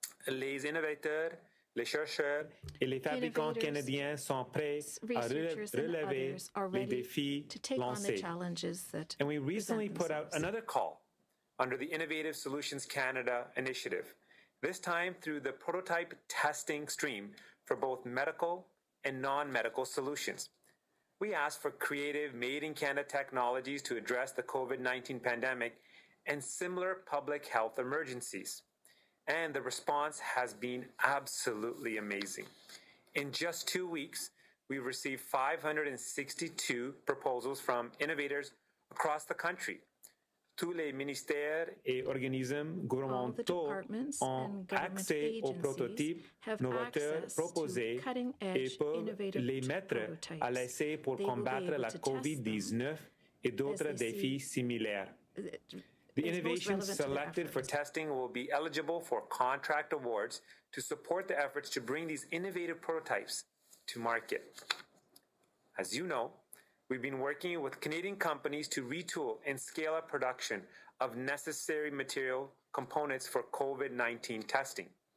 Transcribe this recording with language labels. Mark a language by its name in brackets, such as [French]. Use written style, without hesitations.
[French] les innovateurs, les chercheurs et les fabricants canadiens sont prêts à relever les défis lancés. [English] And we recently put out another call under the Innovative Solutions Canada initiative, this time through the prototype testing stream for both medical and non-medical solutions. We asked for creative, made-in-Canada technologies to address the COVID-19 pandemic and similar public health emergencies. And the response has been absolutely amazing. In just 2 weeks, we've received 562 proposals from innovators across the country. [French] Tous les ministères et organismes gouvernementaux ont accès aux prototypes novateurs proposés et peuvent les mettre à l'essai pour combattre la COVID-19 et d'autres défis similaires. [English] The innovations selected for testing will be eligible for contract awards to support the efforts to bring these innovative prototypes to market. As you know, we've been working with Canadian companies to retool and scale up production of necessary material components for COVID-19 testing.